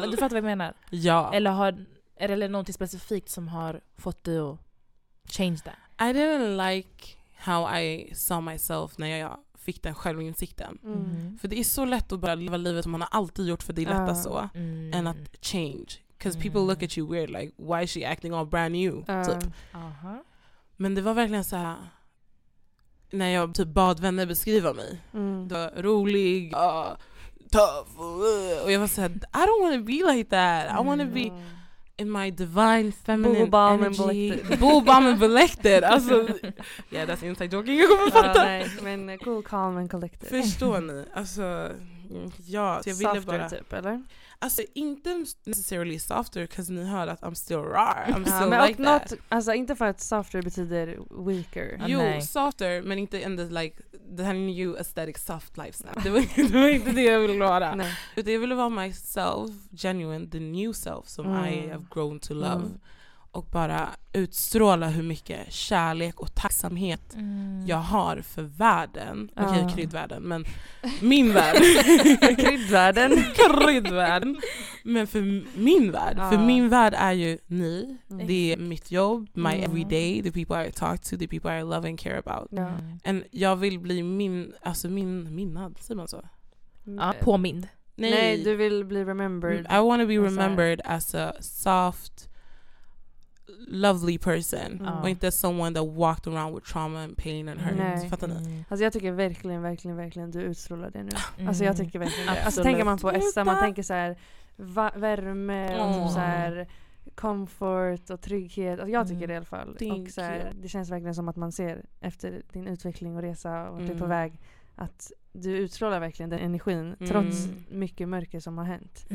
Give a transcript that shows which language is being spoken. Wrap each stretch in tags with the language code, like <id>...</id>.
<sv>Men du fattar vad jag menar. Ja. Eller har, är det något specifikt som har fått dig att</sv> <en>change that? I didn't like how I saw myself</en> <sv>när jag fick den självinsikten. Mm. För det är så lätt att bara leva livet som man har alltid gjort, för det är lätt så. Än att</sv> <en>change. Because people look at you weird, like, why is she acting all brand new?</en> <sv>Typ. Uh-huh. Men det var verkligen så här, när jag typ bad vänner beskriva mig. Mm. Det var rolig,</sv> <en>tough.</en> <sv>Och jag var så här,</sv> <en>I don't want to be like that. I want to be in my divine feminine Bo-bomb energy. Bo-bomb and collected.</en> <sv>Alltså,</sv> <en>yeah, that's inside joking.</en> <sv>Jag kommer fatta. Nej, men</sv> <en>cool, calm and collected.</en> <sv>Förstår ni? Alltså, ja, så jag ville</sv> <en>softer</en> <sv>bara, typ, eller? Alltså, inte</sv> <en>necessarily softer, because</en> <sv>ni hör att</sv> <en>I'm still raw. I'm still like that. Not,</en> <sv>alltså, inte för att</sv> <en>softer</en> <sv>betyder</sv> <en>weaker.</en> <sv>Jo,</sv> <en>softer,</en> <sv>men inte</sv> <en>in the, like, the new aesthetic soft lifestyle.</en> <sv>Det var inte det jag ville vara. Nej. Utan jag ville vara</sv> <en>myself, genuine, the new self</en> <sv>som</sv> <en>I have grown to love. Mm.</en> <sv>Och bara utstråla hur mycket kärlek och tacksamhet jag har för världen. Okej, kryddvärlden, men min värld. Kryddvärlden. Kryddvärlden. Men för min värld. För min värld är ju ni. Det är mitt jobb,</sv> <en>my everyday, the people I talk to, the people I love and care about. And</en> <sv>jag vill bli min, alltså min, minnad, säger man så? Ja, påmind. Nej, du vill bli remembered.</sv> <en>I want to be remembered as a soft, lovely person.</en> <sv>Och inte</sv> <en>someone that walked around with trauma and pain and hurt.</en> <sv>Nej. Fattar ni? Alltså jag tycker verkligen, verkligen, verkligen du utstrålar det nu. Alltså jag tycker verkligen det. Alltså tänker man på Essa, man tänker så här, värme och så här comfort och trygghet. Alltså jag tycker det i alla fall.</sv> <en>Thank</en> <sv>och så här, det känns verkligen som att man ser efter din utveckling och resa och du är på väg, att du utstrålar verkligen den energin trots mycket mörker som har hänt.</sv>